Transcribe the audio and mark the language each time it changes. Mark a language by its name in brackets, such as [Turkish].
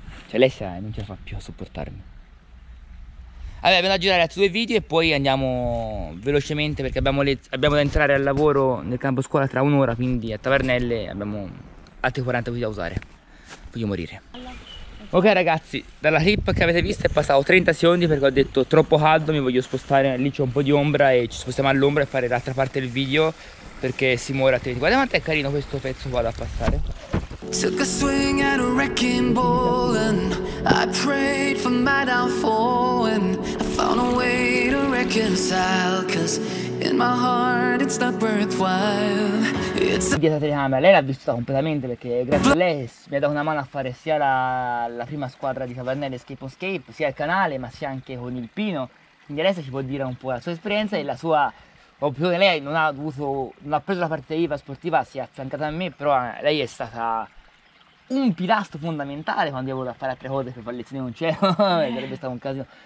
[Italian] Cioè, Alessia non ce la fa più a sopportarmi. Vabbè, allora, andiamo a girare altri 2 video e poi andiamo velocemente perché abbiamo da entrare al lavoro nel campo scuola tra un'ora, quindi a Tavernelle abbiamo altri 40 video da usare. Voglio morire. Ok ragazzi, dalla clip che avete visto è passato 30 secondi perché ho detto troppo caldo, mi voglio spostare, lì c'è un po' di ombra e ci spostiamo all'ombra e fare l'altra parte del video perché si muore attenti. Guarda quanto è carino questo pezzo qua da passare. [English] Took a swing at a wrecking ball and I prayed for my downfall and I found a way to reconcile cause in my heart it's not worthwhile. It's a... [Italian] Dietro la telecamera, lei l'ha vissuta completamente perché grazie a lei mi ha dato una mano a fare sia la prima squadra di Tavernelle Escape on Escape, sia il canale ma sia anche con il Pino. Quindi adesso ci può dire un po' la sua esperienza e la sua... Oppure lei non ha preso la parte IVA sportiva, si è affiancata a me, però lei è stata un pilastro fondamentale quando io volevo fare altre cose per fare lezioni in un cielo, sarebbe stato un casino.